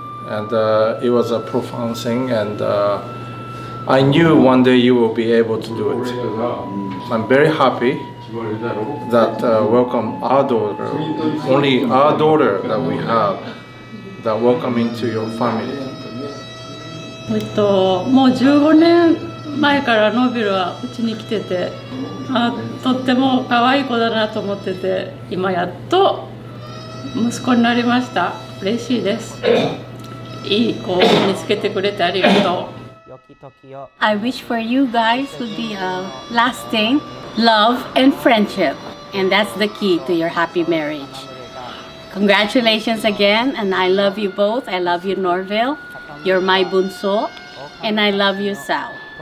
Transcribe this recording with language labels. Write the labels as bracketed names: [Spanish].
[English] And it was a profound thing, and I knew one day you will be able to do it. I'm very happy that welcome our daughter, only our daughter that we have, that welcome into your family. [Japanese] 前からノビルはうちに来てて、あ、とっても可愛い子だなと思ってて、今やっと息子になりました。嬉しいです。いい子を見つけてくれてありがとう。 [English] I wish for you guys to be a lasting love and friendship. And that's the key to your happy marriage. Congratulations again, and I love you both. I love you, Norville. You're my bunso. And I love you, Sal.